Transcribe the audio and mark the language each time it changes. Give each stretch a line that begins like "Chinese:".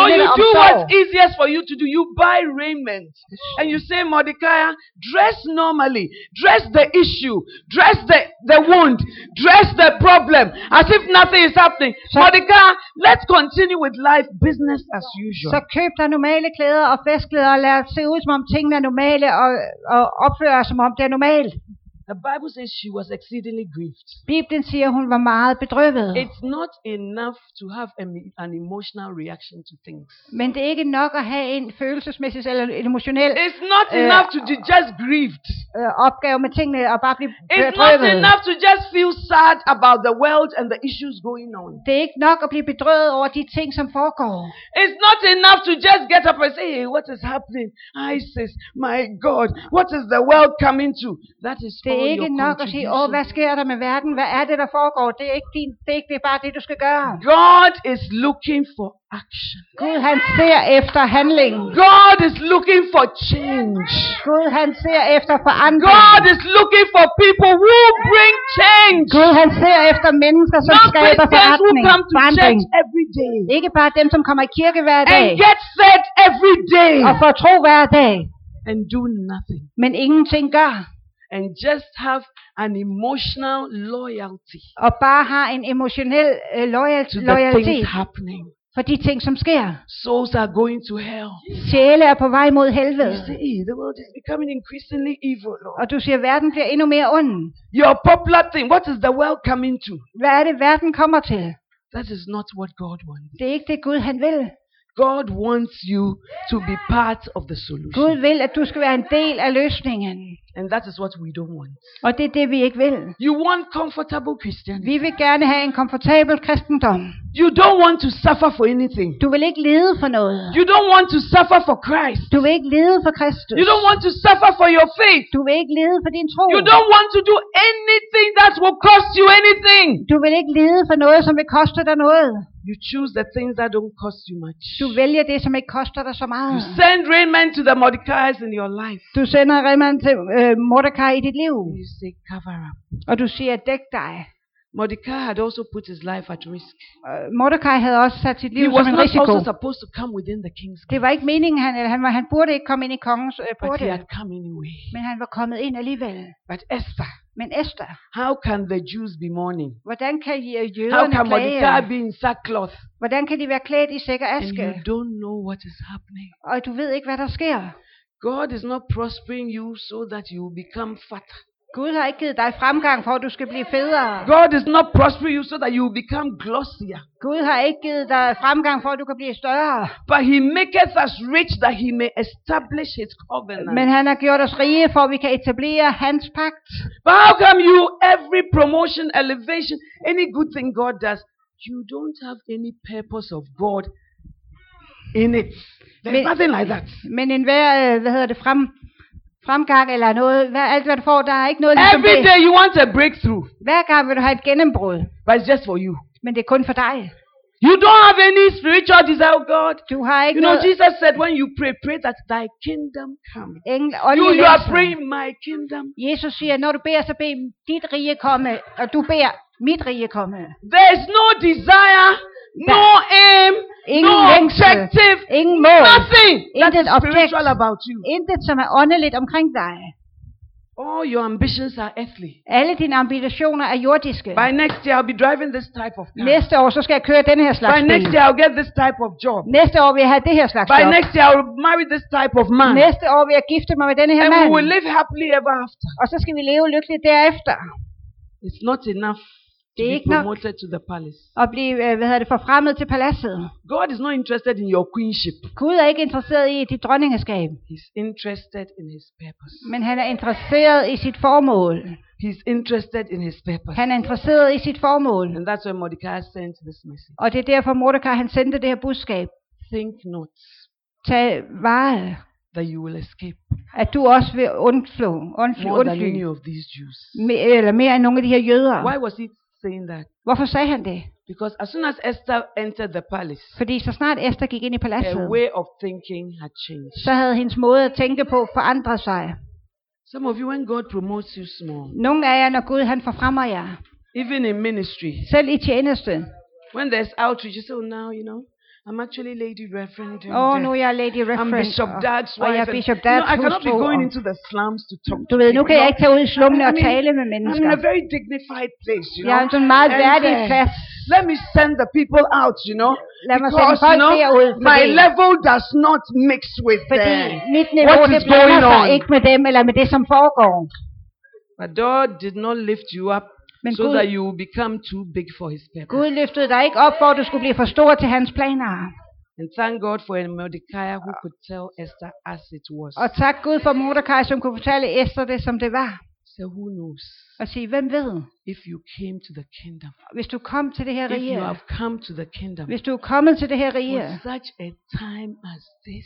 Danish: minde dig om sorg.
English: So you do what's easiest for you to do. You buy raiment. And you say, Mordecai, dress normally. Dress the issue. Dress the wound. Dress the problem. As if nothing is happening. So, Mordecai, let's continue with life business.
Danish: Så køb dig normale klæder og festklæder og lad os se ud som om tingene er normale og opfører som om det er normalt.
English: The Bible says she was exceedingly grieved.
Danish: Bibelen siger, hun var meget bedrøvet.
English: It's not enough to have an emotional reaction to things.
Danish: Men det er ikke nok at have en følelsesmæssig eller emotionel.
English: It's not enough to just grieved.
Danish: Opgave med tingene og bare blive bedrøvet.
English: It's not enough to just feel sad about the world and the issues going on.
Danish: Det er ikke nok at blive bedrøvet over de ting, som foregår.
English: It's not enough to just get up and say, hey, what is happening? Isis, my God, what is the world coming to? That is
Danish: Det er ikke nok at sige, åh, hvad sker der med verden? Hvad er det, der foregår? Det er ikke din, det er ikke det, bare det, du skal gøre.
English: God is looking for action.
Danish: Gud, han ser efter handling.
English: God is looking for change.
Danish: Gud, han ser efter forandring.
English: God is looking for people who bring change.
Danish: Gud, han ser efter mennesker, som
English: Not
Danish: skaber forandring. Forandring.
English: Every day.
Danish: Ikke bare dem, som kommer i kirke hver dag.
English: And get fed every day.
Danish: Og får tro hver dag.
English: And do nothing.
Danish: Men ingenting gør.
English: And just have an emotional loyalty.
Danish: Og bare have en emotionel loyalty.
English: Things happening.
Danish: For de ting, som sker.
English: Souls are going to hell.
Danish: Sjæle er på vej mod helvede.
English: You see, the world is becoming increasingly evil, Lord. Og du siger, verden bliver endnu mere ond. Your popular thing. What is the world coming to?
Danish: Hvad er det, verden kommer til?
English: That is not what God wants.
Danish: Det er ikke det, Gud han vil.
English: God wants you to be part of the solution.
Danish: Gud vil, at du skal være en del af løsningen.
English: And that is what we don't want.
Danish: Og det er det, vi ikke vil.
English: You want comfortable Christian.
Danish: Vi vil gerne have en komfortabel kristendom.
English: You don't want to suffer for anything.
Danish: Du vil ikke lide for noget.
English: You don't want to suffer for Christ.
Danish: Du vil ikke lide for Kristus.
English: You don't want to suffer for your faith.
Danish: Du vil ikke lide for din tro.
English: You don't want to do anything that will cost you anything.
Danish: Du vil ikke lide for noget, som vil koste dig noget.
English: You choose the things that don't cost you much.
Danish: Du vælger det, som ikke koster dig så meget.
English: You send Raymond to the Mordecais in your life.
Danish: Du sender Raymond til Mordecai i dit liv.
English: You say cover up.
Danish: Og du siger dæk dig.
English: Mordecai had also put his life at risk.
Danish: Mordecai havde også sat sit liv som en risiko.
English: He was not also supposed to come within the king's gate.
Danish: Det var ikke meningen han burde ikke komme ind i kongens porte.
English: But he had come anyway.
Danish: Men han var kommet ind alligevel.
English: But Esther.
Danish: Men Esther,
English: how can the Jews be mourning?
Danish: Hvordan kan jøderne klage?
English: How can Mordecai be in sackcloth?
Danish: Hvordan kan de være klædt i sæk og aske?
English: And you don't know what is happening.
Danish: Og du ved ikke hvad der sker.
English: God is not prospering you so that you become fat.
Danish: Gud har ikke givet dig fremgang for at du skal blive federe.
English: God is not prospering you so that you become glossier.
Danish: Gud har ikke givet dig fremgang for at du kan blive større.
English: But he maketh us rich that he may establish his covenant.
Danish: Men han har gjort os rige for at vi kan etablere hans pagt.
English: But how come you every promotion, elevation, any good thing God does, you don't have any purpose of God in it. There's nothing like that.
Danish: Men enhver, hvad hedder det, fremgang eller noget, alt hvad du får, der er ikke noget ligesom det.
English: Every day you want a breakthrough.
Danish: Hver gang vil du have et gennembrud.
English: But it's just for you.
Danish: Men det er kun for dig.
English: You don't have any spiritual desire, God.
Danish: Du har ikke
English: you know, Jesus said, when you pray that thy kingdom come. You are praying my kingdom.
Danish: Jesus siger, når du beder, så bed dit rige komme, og du beder mit rige komme.
English: There is no desire, no aim,
Danish: ingen
English: no objective,
Danish: ingen mål,
English: nothing that is spiritual about you.
Danish: Intet, som er åndeligt omkring dig.
English: All your ambitions are earthly.
Danish: Alle dine ambitioner er jordiske.
English: By next year I'll be driving this type of car.
Danish: Næste år så skal jeg køre den her slags
English: By next year I'll get this type of job.
Danish: Næste år vil jeg have det her slags
English: By
Danish: job.
English: By next year I'll marry this type of man.
Danish: Næste år vil jeg gifte mig med denne her
English: And
Danish: mand.
English: And we will live happily ever after.
Danish: Og så skal vi leve lykkeligt derefter.
English: It's not enough.
Danish: Det er ikke
English: promoted to the palace.
Danish: At blive, hvad hedder det, forfremmet til paladset.
English: God is not interested in your queenship.
Danish: Gud er ikke interesseret i dit dronningeskab.
English: He's interested in his purpose.
Danish: Men han er interesseret i sit formål.
English: He's interested in his purpose.
Danish: Han er interesseret i sit formål.
English: And that's why Mordecai sent this message.
Danish: Og det er derfor Mordecai han sendte det her budskab.
English: Think not.
Danish: Tag vare.
English: That you will escape.
Danish: At du også vil undflå.
English: More than any of these Jews.
Danish: Eller mere end nogle af de her jøder.
English: Why was he saying that?
Danish: Hvorfor sagde han det?
English: Because as soon as Esther entered the palace.
Danish: Fordi så snart Esther gik ind i paladset.
English: Her way of thinking had changed.
Danish: Så havde hendes måde at tænke på forandret sig.
English: Some of you when God promotes you small.
Danish: Nogle af jer når Gud han forfremmer jer.
English: Even in ministry.
Danish: Selv i tjeneste.
English: When there's outreach, you say, oh, now, you know, I'm actually Lady Reverend.
Danish: Oh, nu er jeg Lady Reverend.
English: I'm Bishop Dad's wife.
Danish: Og jeg er Bishop Dad's hustru.
English: No, I cannot be going into the slums to talk.
Danish: Du ved, nu kan jeg ikke tage ud i slummene og tale med mennesker.
English: I'm in a very dignified place, you know.
Danish: Jeg er en meget værdig plads.
English: Let me send the people out, you know.
Danish: Lad mig sende folk derud.
English: My level does not mix with them.
Danish: Fordi mit niveau, det blander sig ikke med dem eller med det, som foregår.
English: But God did not lift you up
Danish: Men
English: so
Danish: Gud,
English: that you will become too big for his purpose.
Danish: Gud løftede dig ikke op for at du skulle blive for stor til hans planer.
English: And thank God for Mordecai who could tell Esther as it was.
Danish: Og tak Gud for Mordecai som kunne fortælle Esther det som det var.
English: So who knows?
Danish: Og sige, hvem ved?
English: If you came to the kingdom.
Danish: Hvis du kom til det her rige.
English: If you have come to the kingdom.
Danish: Hvis du er kommet til det her rige.
English: For such a time as this.